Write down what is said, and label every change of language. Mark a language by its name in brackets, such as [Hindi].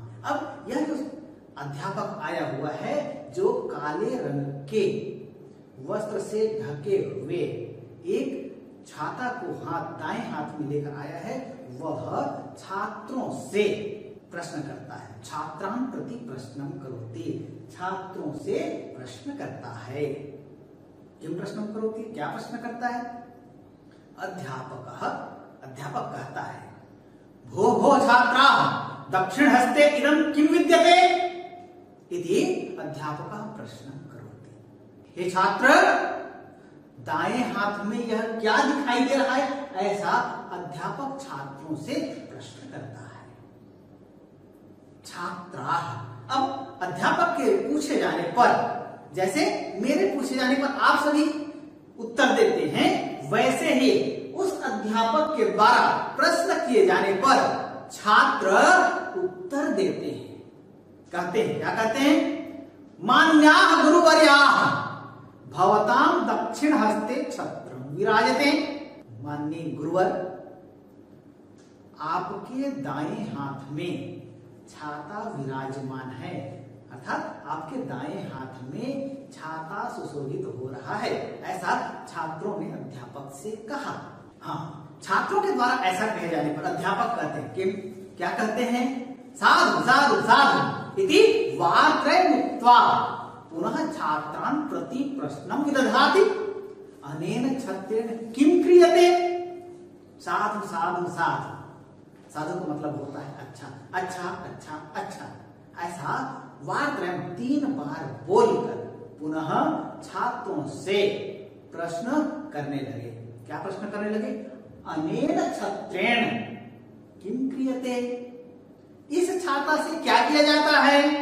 [Hindi] अब यह जो अध्यापक आया हुआ है जो काले रंग के वस्त्र से ढके हुए एक छाता को हाथ दाएं हाथ में लेकर आया है, वह छात्रों से प्रश्न करता है। [Sanskrit] छात्रान् प्रति प्रश्नं करोति, [Hindi] छात्रों से प्रश्न करता है। [Sanskrit] किं प्रश्नं करोति, [Hindi] क्या प्रश्न करता है? [Sanskrit] अध्यापकः, [Hindi] अध्यापक कहता है, [Sanskrit] भो भो छात्रा दक्षिण हस्ते इदं किं विद्यते इति अध्यापकः प्रश्नं करोति। [Hindi] हे छात्र, दाएं हाथ में यह क्या दिखाई दे रहा है, ऐसा अध्यापक छात्रों से प्रश्न करता है। छात्राः, अब अध्यापक के पूछे जाने पर, जैसे मेरे पूछे जाने पर आप सभी उत्तर देते हैं, वैसे ही उस अध्यापक के द्वारा प्रश्न किए जाने पर छात्र उत्तर देते हैं। कहते हैं, क्या कहते हैं? [Sanskrit] मान्याः गुरुवर्याः भवताम् दक्षिण हस्ते छत्रं विराजते। [Hindi] माननीय गुरुवर, आपके दाएं हाथ में छाता विराजमान है, अर्थात आपके दाएं हाथ में छाता सुशोभित हो रहा है, ऐसा छात्रों ने अध्यापक से कहा। हाँ, छात्रों के द्वारा ऐसा कहे जाने पर अध्यापक कहते हैं कि क्या कहते हैं? [Sanskrit] साधु साधु साधु इति वात्रे मुक्त्वा पुनः छात्रान् प्रति प्रश्नं विदधाति अनेन छत्रेण किं क्रियते। [Hindi] साधु साधु साधु, साधु का मतलब होता है अच्छा अच्छा अच्छा अच्छा, ऐसा वात्रे तीन बार बोलकर पुनः छात्रों से प्रश्न करने लगे। क्या प्रश्न करने लगे? [Sanskrit] अनेन छत्रेण किं क्रियते, [Hindi] इस छाता से क्या किया जाता है।